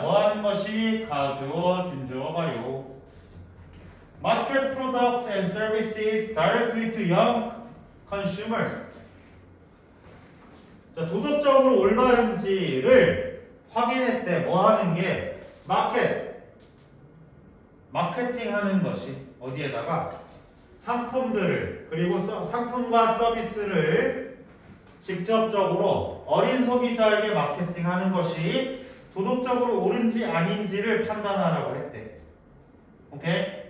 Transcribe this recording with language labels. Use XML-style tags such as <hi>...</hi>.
<ko>뭐 하는 것이 가주어, 준주어가요?</ko> <en>Market products and services directly to young consumers.</en> <ko>자, 도덕적으로 올바른지를 확인할 때 뭐 하는 게 마케팅 하는 것이 어디에다가? 상품들을, 그리고 상품과 서비스를 직접적으로 어린 소비자에게 마케팅하는 것이 도덕적으로 옳은지 아닌지를 판단하라고 했대. 오케이?</ko>